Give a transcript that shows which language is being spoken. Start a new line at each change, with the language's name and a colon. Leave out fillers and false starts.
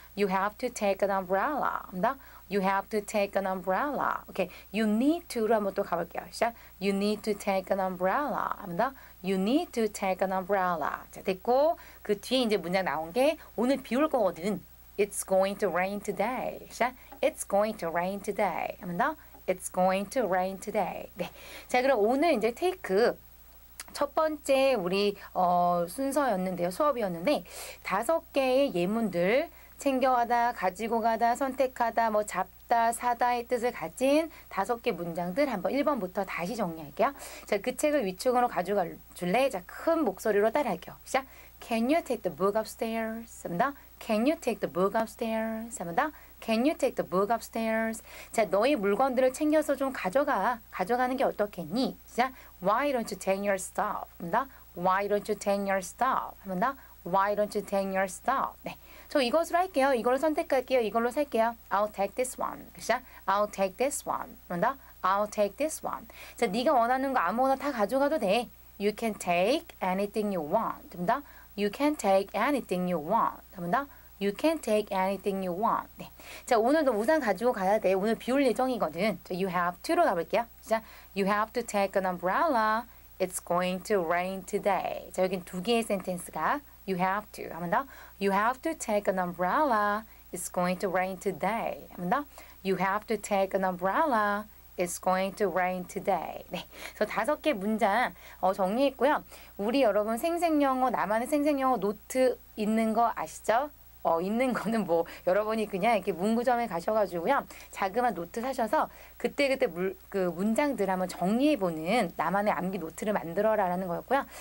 English: You have to take an umbrella.
Korean: 합니다.
English: You have to take an umbrella. Okay. You need to
Korean: 로 한번 또 가볼게요. 시작.
English: You need to take an umbrella.
Korean: 합니다.
English: You need to take an umbrella.
Korean: 자, 됐고 그 뒤에 이제 문장 나온 게 오늘 비 올 거거든.
English: It's going to rain today.
Korean: 시작.
English: It's going to rain today.
Korean: 합니다.
English: It's going to rain today.
Korean: 네. 자, 그럼 오늘 이제 take 첫 번째 우리 순서였는데요. 수업이었는데 다섯 개의 예문들 챙겨가다, 가지고 가다, 선택하다, 뭐 잡다, 사다의 뜻을 가진 다섯 개 문장들 한번 1번부터 다시 정리할게요. 자, 그 책을 위층으로 가져갈래? 자, 큰 목소리로 따라할게요. 시작!
English: Can you take the book upstairs?
Korean: 합니다.
English: Can you take the book upstairs?
Korean: 합니다.
English: Can you take the book upstairs?
Korean: 자, 너의 물건들을 챙겨서 좀 가져가. 가져가는 게 어떻겠니? 시작!
English: Why don't you take your stuff?
Korean: 합니다.
English: Why don't you take your stuff?
Korean: 합니다.
English: Why don't you take your stuff?
Korean: 네. 저 이것으로 할게요. 이걸로 선택할게요. 이걸로 살게요.
English: I'll take this one.
Korean: 그쵸?
English: I'll take this one.
Korean: 뭔다?
English: I'll take this one.
Korean: 자, 네가 원하는 거 아무거나 다 가져가도 돼.
English: You can take anything you want.
Korean: 뭔다?
English: You can take anything you want. 뭔다? You can take anything you want.
Korean: 네. 자, 오늘도 우산 가지고 가야 돼. 오늘 비 올 예정이거든. 자,
English: you have to
Korean: 로 가볼게요.
English: 자, you have to take an umbrella. It's going to rain today.
Korean: 자, 여긴 두 개의 sentence가 you have to. 한 번 더.
English: You have to take an umbrella. It's going to rain today.
Korean: 한 번 더.
English: You have to take an umbrella. It's going to rain today.
Korean: 네. 그래서 다섯 개 문장 정리했고요. 우리 여러분 생생영어, 나만의 생생영어 노트 있는 거 아시죠? 있는 거는 뭐 여러분이 그냥 이렇게 문구점에 가셔가지고요. 자그마한 노트 사셔서 그때그때 그 문장들 한번 정리해보는 나만의 암기 노트를 만들어라라는 거였고요.